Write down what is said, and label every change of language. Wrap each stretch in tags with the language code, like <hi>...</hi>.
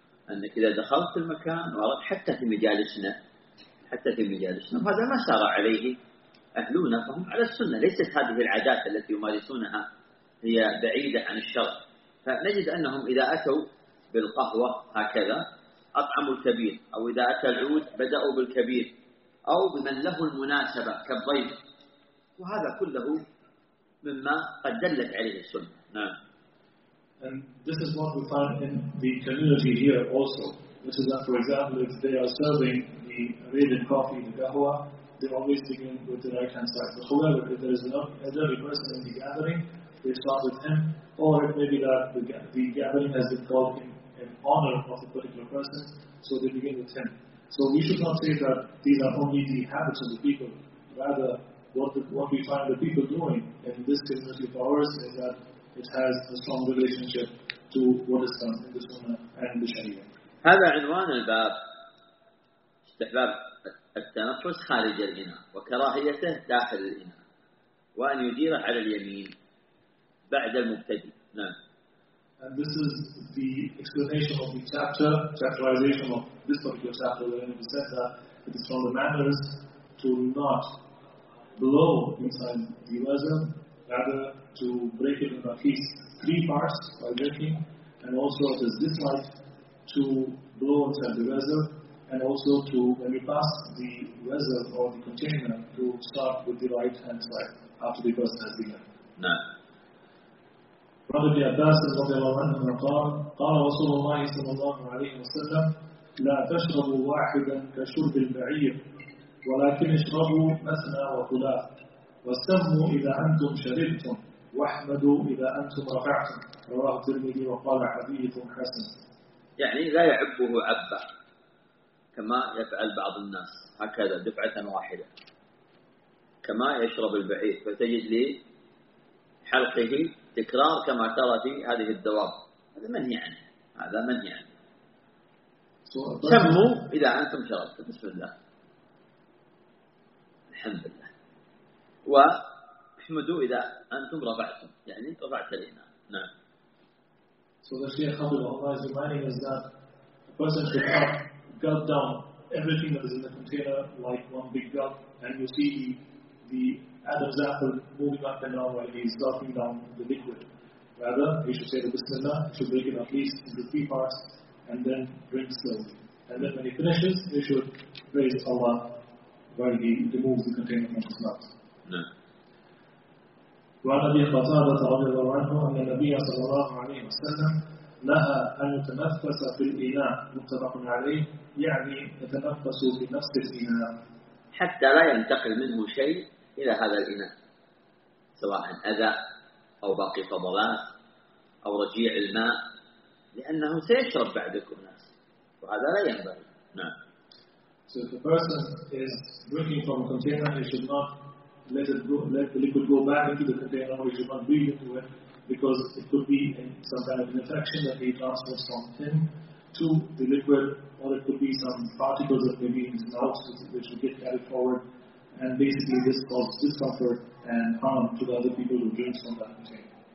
<ar>أنك إذا دخلت المكان وأردت حتى في مجالسنا هذا ما سار عليه أهلنا فهم على السنة، ليست هذه العادات التي يمارسونها هي بعيدة عن الشرع. فنجد أنهم إذا أتوا بالقهوة هكذا أطعموا الكبير، أو إذا أتى العود بدأوا بالكبير، أو بمن له المناسبة كالضيف، وهذا كله مما قد دلت عليه السنة. نعم.</ar> <en>And this is what we find in the community here also. This is that, for example, if they are serving the Arabian coffee, the gahwa, they always begin with the right hand side. But however, if there is an elderly person in the gathering, they start with him. Or it may be that the gathering has been called in honor of the particular person, so they begin with him. So we should not say that these are only the habits of the people. Rather, what we find the people doing in this community of ours is that it has a strong relationship to what is done in the Sunnah and the Sharia.</en> <ar>هذا عنوان الباب، استحباب التنفس خارج الإناء وكراهيته داخل الإناء، وأن يديره على اليمين بعد المبتدئ. نعم.</ar> <en>And this is the explanation of the chapterization of this particular chapter, wherein it says that it is from the manners to not blow inside the vessel, rather to break it into at least three parts by drinking, and also it is disliked to blow inside the vessel, and also to, when you pass the vessel or the container, to start with the right hand side after the person has begun. No.</en> <ar>Prophet Abbas, رضي الله عنه, قال رسول الله صلى الله عليه وسلم لا تشربوا واحدا كشرب البعير ولكن اشربوا مثنى وثلاث واستهموا إذا أنتم شربتم واحمدوا إذا أنتم رفعتم. رواه الترمذي وقال حديث حسن. يعني لا يعبه عبا كما يفعل بعض الناس هكذا دفعة واحدة كما يشرب البعير فتجد لي حلقه تكرار كما ترى في هذه الدواب. هذا من يعني هذا من يعني سموا إذا أنتم شربتم. بسم الله الحمد لله واحمدوا إذا أنتم رفعتم يعني رفعت لنا. نعم.</ar> <en>So the Shaykh Khadr Allah is reminding us that a person should have gulped down everything that is in the container like one big gulp, and you see the Adam's apple moving up and down while he is gulping down the liquid. Rather, he should say the Bismillah, he should break it at least into three parts and then drink slowly. And then when he finishes, he should praise Allah while he removes the container from his mouth.</en> <ar>وعن أبي قتادة رضي الله عنه أن النبي صلى الله عليه وسلم نهى أن يتنفس في الإناء متفق عليه يعني يتنفس في نفس الإناء حتى لا ينتقل منه شيء إلى هذا الإناء سواء أذى أو باقي فضلات أو رجيع الماء لأنه سيشرب بعدكم ناس وهذا لا ينبغي. نعم.</ar> <en>So if the person is drinking from a container, he should not let the liquid go back into the container, we should not breathe into it because it could be some kind of an infection that he transfers from him to the liquid, or it could be some particles that may be in his mouth which will get carried forward, and basically this causes discomfort and harm to the other people who drink from that container.</en>